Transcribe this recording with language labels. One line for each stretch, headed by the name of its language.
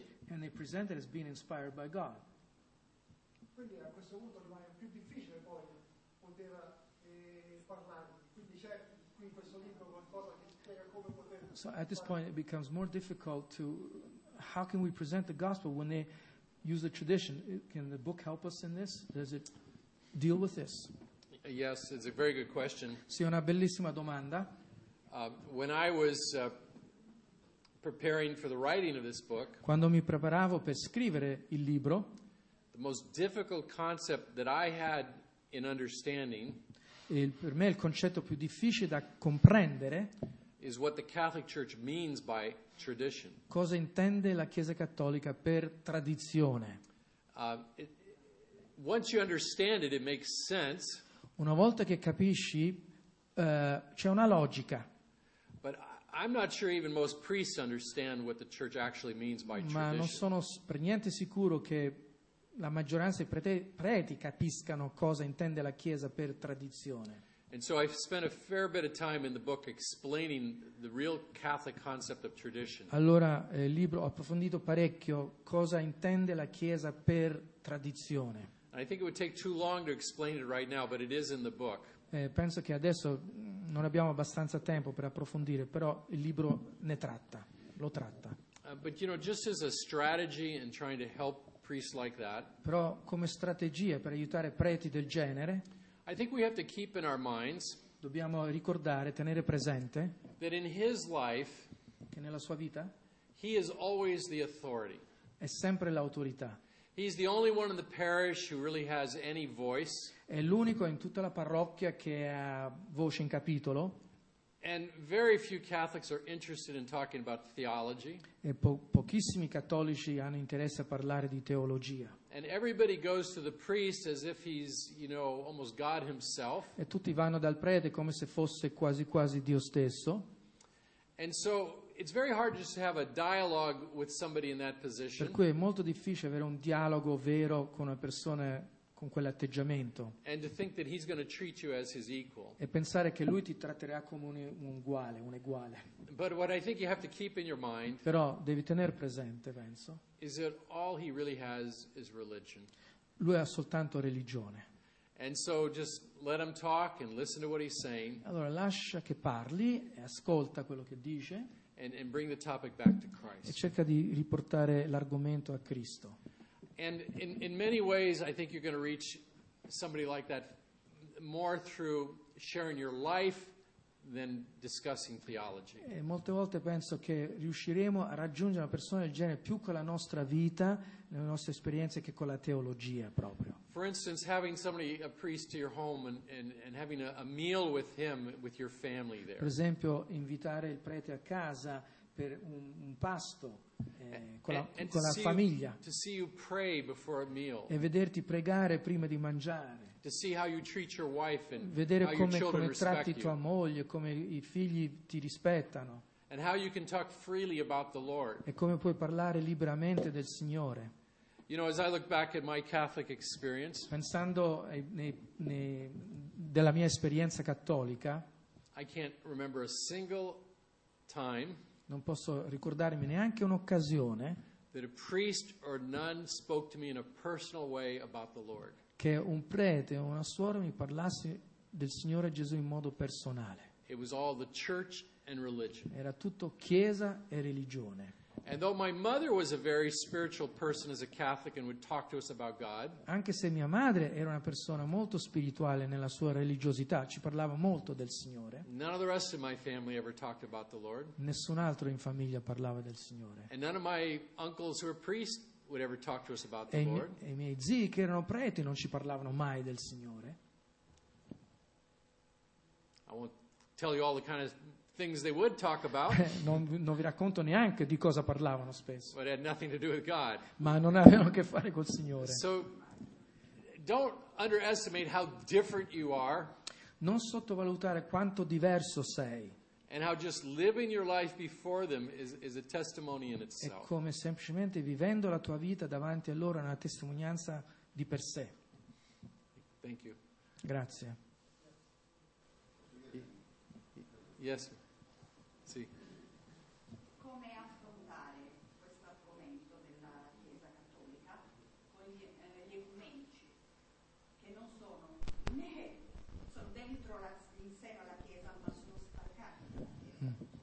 English: And they present it as being inspired by God.
Italian: Quindi a questo punto ormai è più difficile poi poter parlare. Quindi c'è qui in questo libro qualcosa che spiega come poter.
English: So at this point it becomes more difficult to how can we present the gospel when they use the tradition? Can the book help us in this? Does it deal with this? Yes, it's a very good question.
Italian: Sì, una bellissima domanda.
English: When I was preparing for the writing of this book.
Italian: Quando mi preparavo per scrivere il libro,
English: the most difficult concept that I had in understanding,
Italian: per me il concetto più difficile da comprendere,
English: is what the Catholic Church means by tradition.
Italian: Cosa intende la Chiesa Cattolica per tradizione?
English: Once you understand it, it makes sense.
Italian: Una volta che capisci, c'è una logica.
English: But I'm not sure even most priests understand what the church actually means by tradition.
Italian: Ma non sono per niente sicuro che la maggioranza dei preti capiscano cosa intende la Chiesa per tradizione.
English: And so I've spent a fair bit of time in the book explaining the real Catholic concept of tradition.
Italian: Allora, il libro ho approfondito parecchio cosa intende la Chiesa per tradizione.
English: I think it would take too long to explain it right now, but it is in the book.
Italian: Penso che adesso non abbiamo abbastanza tempo per approfondire, però il libro ne tratta, lo tratta.
English: But you know, just as a strategy in trying to help priests like that.
Italian: Però come strategia per aiutare preti del genere.
English: I think we have to keep in our minds.
Italian: Dobbiamo ricordare, tenere presente.
English: That in his life.
Italian: Che nella sua vita.
English: He is always the authority.
Italian: È sempre l'autorità.
English: He's the only one in the parish who really has any voice.
Italian: È l'unico in tutta la parrocchia che ha voce in capitolo.
English: And very few Catholics are interested in talking about theology.
Italian: E pochissimi cattolici hanno interesse a parlare di teologia.
English: And everybody goes to the priest as if he's, you know, almost God himself.
Italian: E tutti vanno dal prete come se fosse quasi quasi Dio stesso.
English: And so it's very hard just to have a dialogue with somebody in that position.
Italian: Per cui è molto difficile avere un dialogo vero con una persona con quell'atteggiamento.
English: And to think that he's going to treat you as his equal.
Italian: E pensare che lui ti tratterà come un eguale.
English: But what I think you have to keep in your mind.
Italian: Però devi tenere presente, penso.
English: Is that all he really has is religion.
Italian: Lui ha soltanto religione.
English: And so just let him talk and listen to what he's saying.
Italian: Allora lascia che parli e ascolta quello che dice.
English: And bring the topic back to Christ.
Italian: E cerca di riportare l'argomento a Cristo.
English: And in many ways I think you're going to reach somebody like that more through sharing your life than discussing theology.
Italian: E molte volte penso che riusciremo a raggiungere una persona del genere più con la nostra vita, le nostre esperienze, che con la teologia proprio.
English: For instance, having somebody, a priest to your home and having a meal with him, with your family there.
Italian: Per esempio, invitare il prete a casa per un pasto con la famiglia.
English: To see you pray before a meal.
Italian: E vederti pregare prima di mangiare.
English: To see how you treat your wife and
Italian: vedere
English: how
Italian: come tratti tua moglie, come i figli ti rispettano.
English: And how you can talk freely about the Lord.
Italian: E come puoi parlare liberamente del Signore.
English: You know, as I look back at my Catholic experience,
Italian: pensando della mia esperienza cattolica,
English: I can't remember a single time.
Italian: Non posso ricordarmi neanche un'occasione
English: that a priest or nun spoke to me in a personal way about the Lord.
Italian: Che un prete o una suora mi parlasse del Signore Gesù in modo personale.
English: It was all the church and religion.
Italian: Era tutto chiesa e religione.
English: And though my mother was a very spiritual person as a Catholic and would talk to us about God.
Italian: Anche se mia madre era una persona molto spirituale nella sua religiosità, ci parlava molto del Signore.
English: None of the rest of my family ever talked about the Lord.
Italian: Nessun altro in famiglia parlava del Signore.
English: And none of my uncles who were priests would ever talk to us about the Lord.
Italian: E i miei zii che erano preti non ci parlavano mai del Signore.
English: I won't tell you all the kind of things they would talk about.
Italian: non vi racconto neanche di cosa parlavano spesso.
English: But it had nothing to do with God.
Italian: Ma non avevano a che fare col Signore.
English: So, don't underestimate how different you are.
Italian: Non sottovalutare quanto diverso sei.
English: And how just living your life before them is a testimony in itself.
Italian: E come semplicemente vivendo la tua vita davanti a loro è una testimonianza di per sé.
English: Thank you.
Italian: Grazie.
English: Yes.
Italian: Sì. Come affrontare questo argomento della Chiesa Cattolica con gli ecumenici che non sono né sono dentro in seno alla Chiesa ma sono staccati dalla Chiesa.